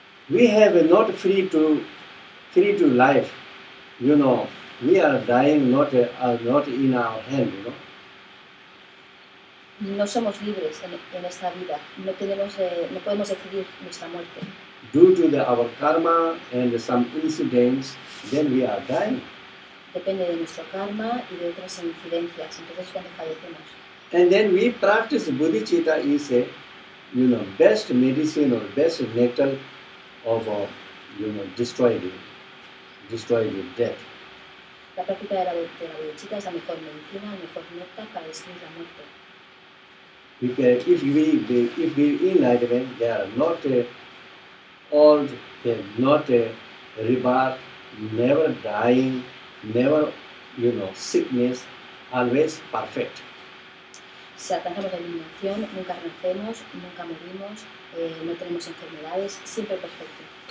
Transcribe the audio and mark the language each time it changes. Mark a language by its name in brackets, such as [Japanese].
[English] We have not free to life, we are dying not in our hand, [Spanish] No somos libres en esta vida, no podemos decidir nuestra muerte. [English] Due to our karma and some incidents, then we are dying. [Spanish] Depende de nuestro karma y de otras incidencias, entonces cuando fallecemos. [English] And then we practice bodhicitta is a, best medicine or best nectar of, destroying death. [Spanish] La práctica de la bodhicitta es la mejor medicina, la mejor nectar para destruir la muerte. [English] Because if we enlightenment, they are not old, they are not rebirth, never dying, never, sickness, always perfect. [Spanish] Si alcanzamos la iluminación, nunca renacemos, nunca morimos, no tenemos enfermedades, siempre perfecto.